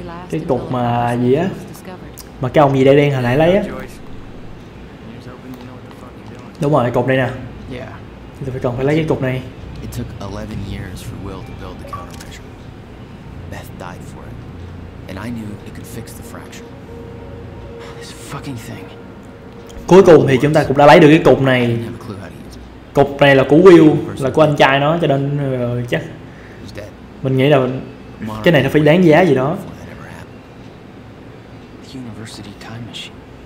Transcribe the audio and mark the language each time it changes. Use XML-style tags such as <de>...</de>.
<vi>Cái cục mà gì á, mà cái ông gì đen đen hồi nãy lấy á. Đúng rồi, cục đây nè. Thì phải cần phải lấy cái cục này.</vi> <en>It took 11 years for Will to build the countermeasure. Beth died for it. And I knew it could fix the fracture. This fucking thing.</en> <vi>Cuối cùng thì chúng ta cũng đã lấy được cái cục này. Cục này là của Will, là của anh trai nó, cho nên chắc mình nghĩ là cái này nó phải đáng giá gì đó.</vi> <en>University time machine.</en>